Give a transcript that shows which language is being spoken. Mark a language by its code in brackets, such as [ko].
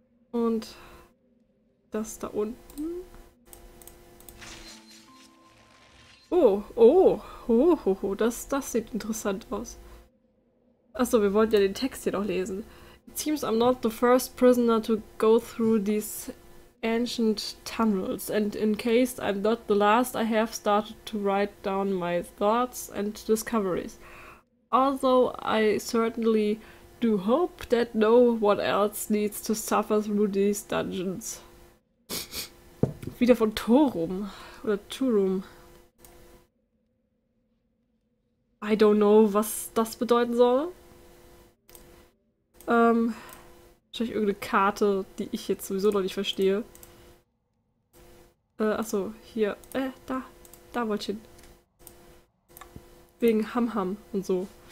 [de] Und das da unten. Oh, das sieht interessant aus. Achso, wir wollten ja den Text hier noch lesen. [en] It seems I'm not the first prisoner to go through these ancient tunnels. And in case I'm not the last, I have started to write down my thoughts and discoveries. Although I certainly do hope that no one else needs to suffer through these dungeons. [de] Wieder von Torum oder Turum. [en] I don't know, [de] was das bedeuten soll. Wahrscheinlich irgendeine Karte, die ich jetzt sowieso noch nicht verstehe. Achso, hier. Da. Da wollte ich hin. Wegen Ham Ham und so.